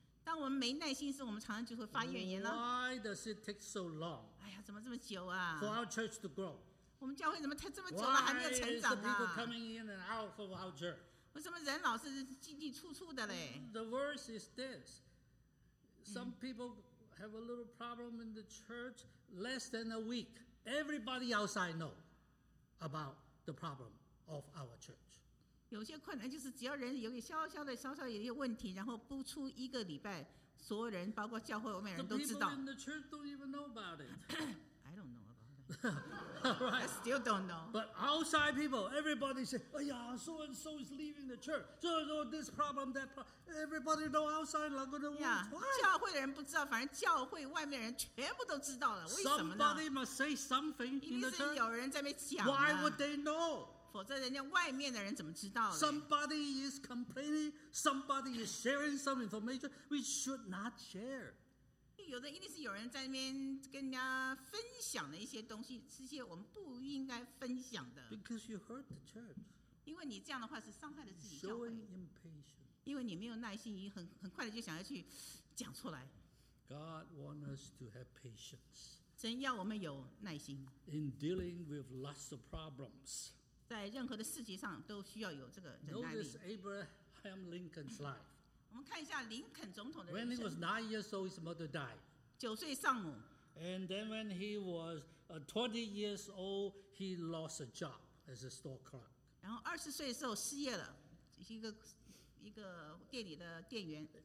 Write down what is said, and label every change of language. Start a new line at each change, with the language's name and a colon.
Chinese: 当我们没耐心时，我们常常就会发怨言了。
English: Why does it take so long?
Chinese: 哎呀，怎么这么久啊
English: ？For our church to grow.
Chinese: 我们教会怎么这么久了还没有成长啊
English: ？Why is the people coming in and out of our church?
Chinese: 为什么人老是进进出出的嘞
English: ？The verse is this: Some people have a little problem in the church less than a week. Everybody outside know about the problem of our church.
Chinese: 有些困难就是只要人有小小的有些问题，然后不出一个礼拜，所有人包括教会我们人都知道。
English: The people in the church don't even know about it. I don't know about it. Right. I still don't know. But outside people, everybody say, "Ayah, so and so is leaving the church. So and so this problem, that problem. Everybody know outside, not gonna know why."
Chinese: 教会的人不知道，反正教会外面人全部都知道了。为什么呢
English: ？Somebody must say something in the church.
Chinese: 一定是有人在那边讲。
English: Why would they know?
Chinese: 否则人家外面的人怎么知道呢
English: ？Somebody is complaining. Somebody is sharing some information we should not share.
Chinese: 有的一定是有人在那边跟人家分享的一些东西，这些我们不应该分享的。
English: Because you hurt the church.
Chinese: 因为你这样的话是伤害了自己教会。
English: Showing impatience.
Chinese: 因为你没有耐心，你很快的就想要去讲出来。
English: God wants us to have patience.
Chinese: 神要我们有耐心。
English: In dealing with lots of problems.
Chinese: 在任何的事情上都需要有这个忍耐力。
English: Notice Abraham Lincoln's life.
Chinese: 我们看一下林肯总统的人生。
English: When he was 9 years old, his mother died.
Chinese: 九岁丧母。
English: And then when he was 20 years old, he lost a job as a store clerk.
Chinese: 然后20岁的时候失业了，一个店里的店员。